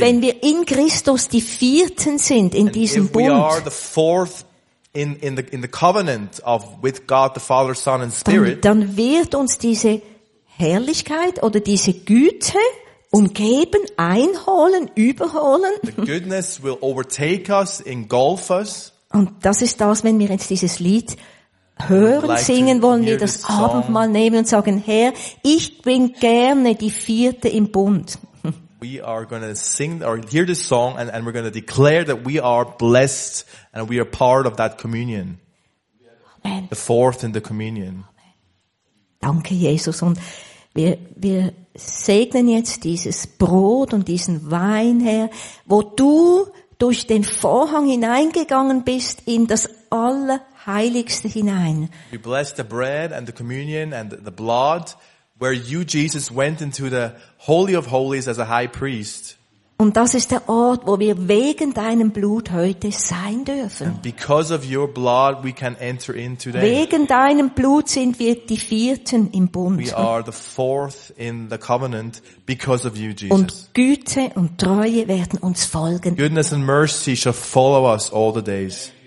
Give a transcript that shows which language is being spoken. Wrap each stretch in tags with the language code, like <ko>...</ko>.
<de>Und wenn wir in Christus die 4. sind in</de> <en>and</en> <de>diesem</de> <en>if</en> <de>Bund.</de> <en>We are the 4th in the covenant of with God the Father, Son and Spirit.</en> <de>Dann wird uns diese Herrlichkeit oder diese Güte umgeben, einholen, überholen.</de> <en>The goodness will overtake us, engulf us.</en> <de>Und das ist das, wenn wir jetzt dieses Lied hören, like singen, wollen wir das Abendmahl nehmen und sagen, Herr, ich bin gerne die Vierte im Bund.</de> <en>We are going to sing or hear this song and we're going to declare that we are blessed and we are part of that communion. Amen. The fourth in the communion.</en> <de>Amen. Danke, Jesus. Und wir segnen jetzt dieses Brot und diesen Wein, Herr, wo du durch den Vorhang hineingegangen bist in das Allerheiligste hinein.</de> <en>We bless the bread and the communion and the blood where you, Jesus, went into the Holy of Holies as a high priest.</en> <de>Und das ist der Ort, wo wir wegen deinem Blut heute sein dürfen.</de> <en>And because of your blood, we can enter in today.</en> <de>Wegen deinem Blut sind wir die Vierten im Bund.</de> <en>We are the fourth in the covenant because of you, Jesus.</en> <de>Und Güte und Treue werden uns folgen.</de> <en>Goodness and mercy shall follow us all the days.</en>